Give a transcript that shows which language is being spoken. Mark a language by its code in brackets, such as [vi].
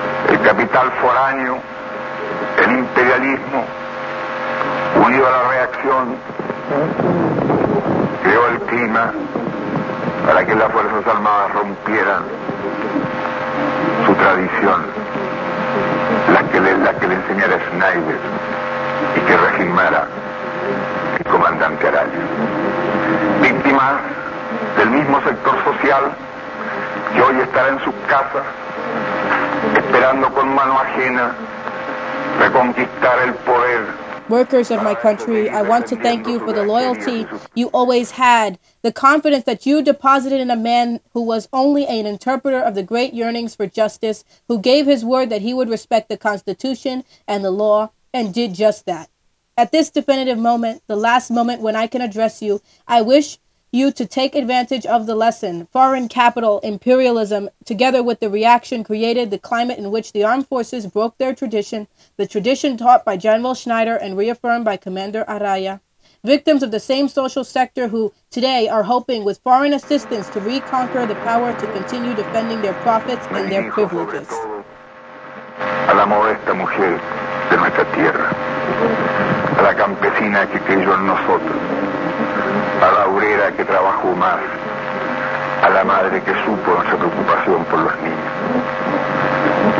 [es] El capital foráneo, el imperialismo, unido a la reacción, creó el clima para que las Fuerzas Armadas rompieran su tradición, la que le enseñara Schneider y que regimara el comandante Araya. Víctimas del mismo sector social, que hoy estará en sus casas esperando con mano ajena reconquistar el poder. [en] Workers of my country, I want to thank you for the loyalty you always had, the confidence that you deposited in a man who was only an interpreter of the great yearnings for justice, who gave his word that he would respect the Constitution and the law, and did just that. At this definitive moment, the last moment when I can address you, I wish you to take advantage of the lesson, foreign capital, imperialism, together with the reaction created, the climate in which the armed forces broke their tradition, the tradition taught by General Schneider and reaffirmed by Commander Araya, victims of the same social sector who today are hoping with foreign assistance to reconquer the power to continue defending their profits and their privileges. [es] A la modesta mujer de nuestra tierra, a la campesina que creyó en nosotros, a la obrera que trabajó más, a la madre que supo nuestra preocupación por los niños.